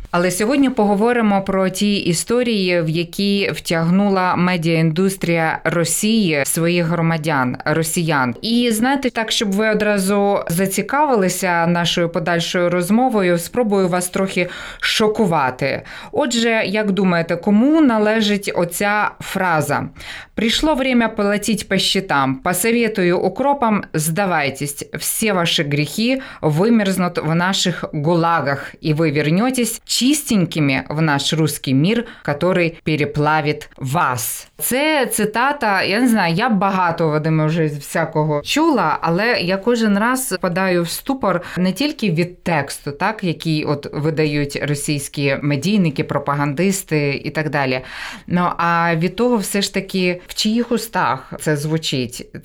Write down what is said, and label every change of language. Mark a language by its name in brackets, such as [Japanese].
[Ukrainian] Але сьогодні поговоримо про ті історії, в які втягнула медіаіндустрія Росії своїх громадян, росіян. І знаєте, так, щоб ви одразу зацікавилися нашою подальшою розмовою, спробую вас трохи шокувати. Отже, як думаєте, кому належить оця фраза? [Russian] Прийшло время платить по счетам. Посоветую укропам, здавайтесь. Все ваши грехи вымерзнут в наших гулагах, и вы вернетесь чистенькими в наш русский мир, который переплавит вас. [Ukrainian] Це цитата, я не знаю, я багато, Вадиме, вже всякого чула, але я кожен раз впадаю в ступор не тільки від тексту, так, який от видають російські медійники, пропагандисти і так далі. Ну, а від того все ж таки, в чиїх устах це звучить?